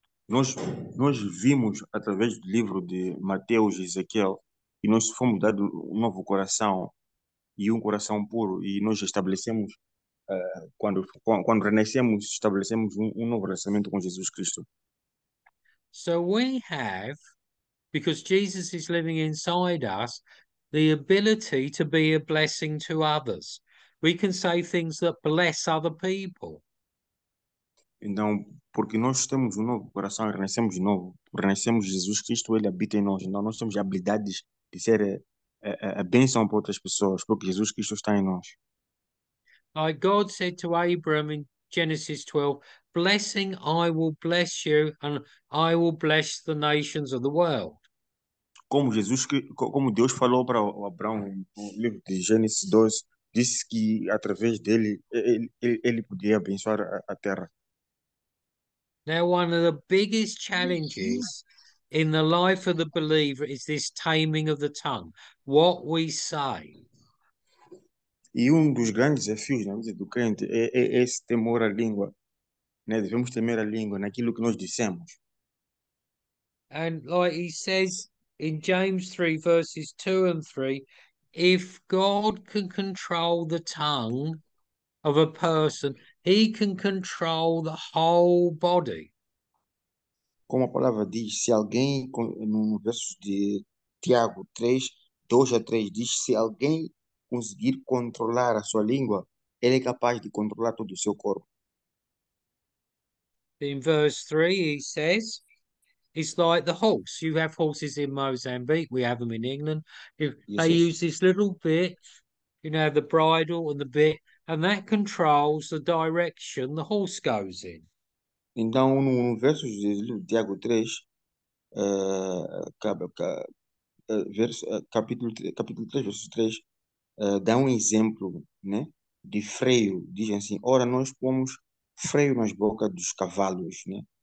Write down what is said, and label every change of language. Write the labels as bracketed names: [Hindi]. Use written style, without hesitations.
[Portuguese] Nós vimos através do livro de Mateus e Ezequiel e nós fomos dado um novo coração e um coração puro, e nós estabelecemos, quando renascemos, estabelecemos um novo relacionamento com Jesus Cristo. [English] So we have, because Jesus is living inside us, the ability to be a blessing to others. We can say things that bless other people. [Portuguese] Então, porque nós temos um novo coração, renascemos de novo, renascemos Jesus Cristo, ele habita em nós. Então, nós temos habilidades de ser a bênção para outras pessoas, porque Jesus Cristo está em nós. [English] Like God said to Abraham in Genesis 12, blessing, I will bless you, and I will bless the nations of the world. [Portuguese] Como Deus falou para Abraão no livro de Gênesis 12, disse que através dele ele podia abençoar a terra. [English] Now, one of the biggest challenges in the life of the believer is this taming of the tongue, what we say. [Portuguese] E um dos grandes desafios na vida do crente é esse temor à língua, né? Devemos temer a língua naquilo que nós dissemos. [English] And like he says in James 3, verses 2 and 3, if God can control the tongue of a person, he can control the whole body. [Portuguese] Como a palavra diz, se alguém, no verso de Tiago 3, 2 a 3, diz: se alguém conseguir controlar a sua língua, ele é capaz de controlar todo o seu corpo. [English] In verse 3, he says, it's like the horse. You have horses in Mozambique, we have them in England. If they [Portuguese] Isso. [English] use this little bit, you know, the bridle and the bit, and that controls the direction the horse goes in. [Portuguese] Então, no verso de Tiago 3, capítulo 3, verso 3, dá um exemplo, né, de freio. Diz assim: ora, nós pomos freio nas bocas dos cavalos, né?